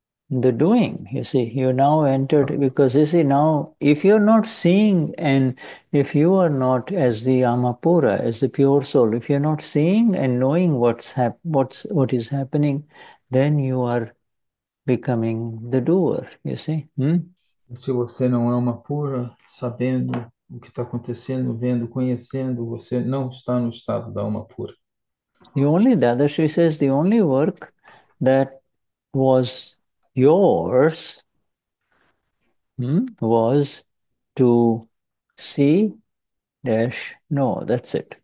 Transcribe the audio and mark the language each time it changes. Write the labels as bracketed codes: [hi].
[en] The doing, you see, you now entered because you see, now if you're not seeing and if you are not as the Amapura, as the pure soul, if you're not seeing and knowing what is happening, then you are becoming the doer, you see. [pt] Se você não é uma pura, sabendo o que está acontecendo, vendo, conhecendo, você não está no estado da alma pura. [en] She says, the only work that was yours was to see dash no, that's it.